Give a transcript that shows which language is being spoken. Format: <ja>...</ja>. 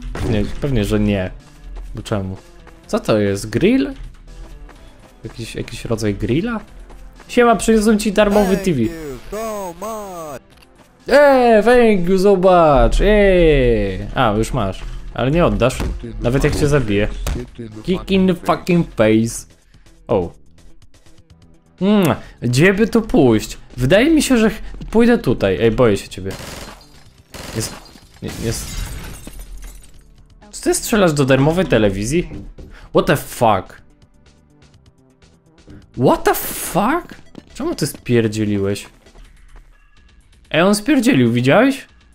<pl>Nie, pewnie, że nie. Bo czemu? Co to jest, grill? Jakiś rodzaj grilla? Siema, przyniosłem ci darmowy TV.</pl> <en>Thank you,</en> <pl>zobacz, A, już masz. Ale nie oddasz, nawet jak cię zabiję.</pl> <en>Kick in the fucking face. O.</en> <pl>Gdzie by tu pójść? Wydaje mi się, że pójdę tutaj. Ej, boję się ciebie. Jest. Czy ty strzelasz do darmowej telewizji?</pl> <en>What the fuck? What the fuck?</en> <pl>Czemu ty spierdzieliłeś? Ej, on spierdzielił, widziałeś?</pl>